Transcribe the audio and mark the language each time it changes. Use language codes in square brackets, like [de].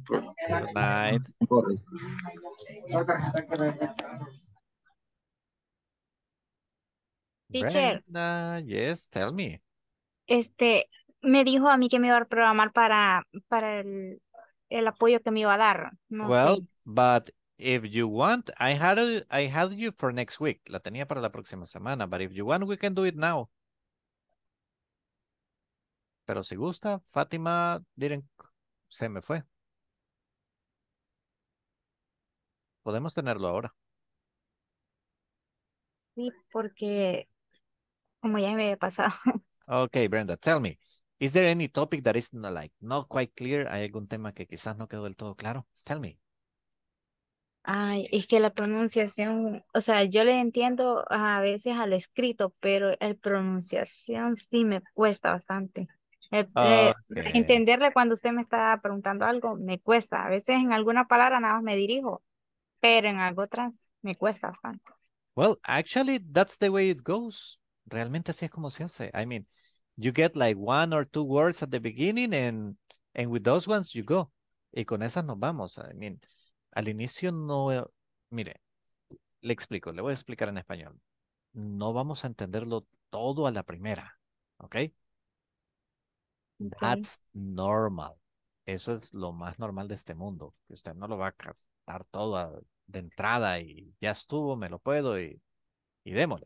[en] Good night. Teacher. Brenda, yes, tell me. [es] Este, me dijo a mí que me iba a programar para el apoyo que me iba a dar. No [en] well, [es] sé. [en] But if you want, I had you for next week. [es] La tenía para la próxima semana. [en] But if you want, we can do it now. [es] Pero si gusta, Fátima, miren, se me fue. Podemos tenerlo ahora. Sí, porque como ya me había pasado. [en] Okay, Brenda, tell me. Is there any topic that is not, like, not quite clear? [es] ¿Hay algún tema que quizás no quedó del todo claro? [en] Tell me. [es] Ay, es que la pronunciación, o sea, yo le entiendo a veces al escrito, pero la pronunciación sí me cuesta bastante. Okay. Entenderle cuando usted me está preguntando algo me cuesta, a veces en alguna palabra nada más me dirijo, pero en algo otras me cuesta bastante. [en] Well, actually, that's the way it goes. [es] Realmente así es como se hace. [en] I mean, you get like one or two words at the beginning, and with those ones you go. [es] Y con esas nos vamos. [en] I mean, [es] al inicio no, mire, le explico, le voy a explicar en español. No vamos a entenderlo todo a la primera, ¿okay? [en] That's normal. [es] Eso es lo más normal de este mundo, que usted no lo va a captar todo de entrada y ya estuvo, me lo puedo y démosle.